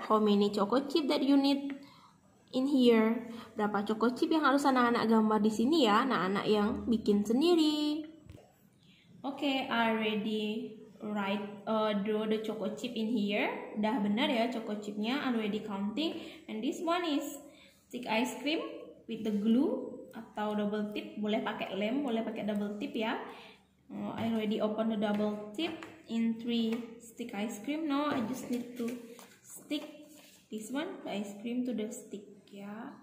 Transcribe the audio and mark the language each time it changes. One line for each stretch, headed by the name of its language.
English: How many choco chip that you need in here?
Indonesian: Berapa choco chip yang harus anak-anak gambar di sini ya? Anak-anak yang bikin sendiri.
English: Oke, already right, draw the choco chip in here.
Indonesian: Udah benar ya choco chipnya,
English: already counting. And this one is stick ice cream with the glue atau double tip.
Indonesian: Boleh pakai lem, boleh pakai double tip ya.
English: I already open the double tip in 3 stick ice cream. Now I just need to stick this one, the ice cream to the stick ya.